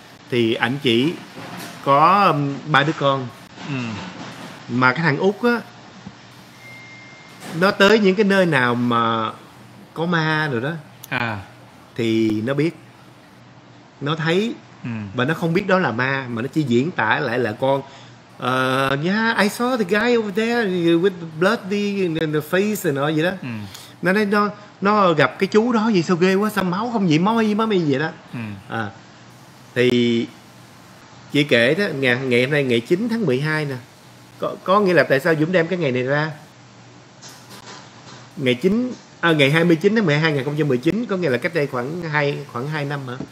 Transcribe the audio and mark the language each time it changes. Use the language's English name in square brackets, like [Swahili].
[Vietnamese] Thì ảnh chỉ có ba đứa con. Ừ. Mà cái thằng Út á, nó tới những cái nơi nào mà có ma rồi đó, thì nó biết, nó thấy. Ừ. Và nó không biết đó là ma, mà nó chỉ diễn tả lại là con. [English] Yeah, I saw the guy over there with bloody in the face and all [Vietnamese] vậy đó. Ừ. Nó nói nó gặp cái chú đó gì sao ghê quá, sao máu không nhiễm máu gì mà mày vậy đó. Ừ. Thì chị kể đó, ngày hôm nay ngày 9 tháng 12 nè. Có nghĩa là tại sao Dũng đem cái ngày này ra? Ngày 29 tháng 12 2019 có nghĩa là cách đây khoảng 2 năm hả?